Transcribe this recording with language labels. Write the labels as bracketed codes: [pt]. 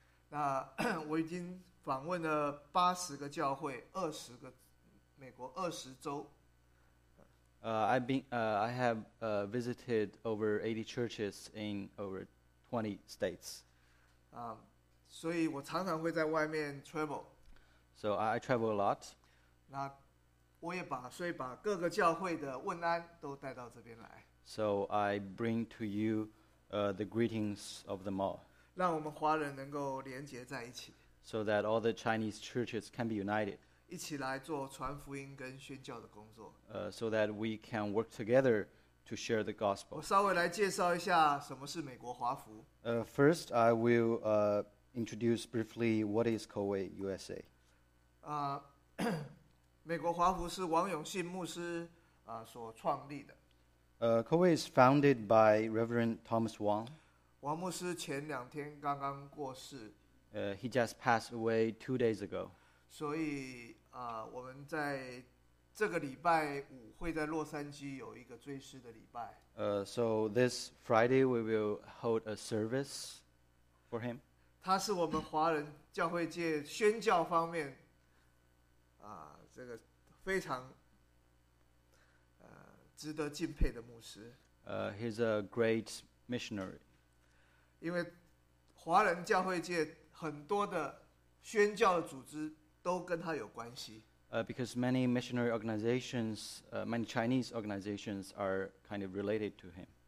[zh] 那我已经访问了80个教会，20个美国20州。 [en] I have visited over 80 churches in over 20 states. [zh] 所以我常常会在外面 travel. [en] So I travel a lot. [zh] 那我也把所以把各个教会的问安都带到这边来。 [en] So I bring to you the greetings of them all. [zh] 让我们华人能够连结在一起。 [en] So that all the Chinese churches can be united. [zh] 一起来做传福音跟宣教的工作。 [en] So that we can work together to share the gospel. [zh] 我稍微来介绍一下什么是美国华福。 [en] First, I will introduce briefly what is Coway USA. [zh] 美国华福是王永信牧师所创立的。 [en] Coway is founded by Reverend Thomas Wong. [zh] 王牧师前两天刚刚过世。 [en] He just passed away 2 days ago. [zh] 所以我们在这个礼拜五会在洛杉矶有一个追思的礼拜。 [en] So this Friday we will hold a service for him. [zh] 他是我们华人教会界宣教方面这个非常值得敬佩的牧师。 [en] He's a great missionary. [zh] 因为华人教会界很多的宣教的组织都跟他有关系。 [en] Because many missionary organizations, many Chinese organizations are kind of related to him.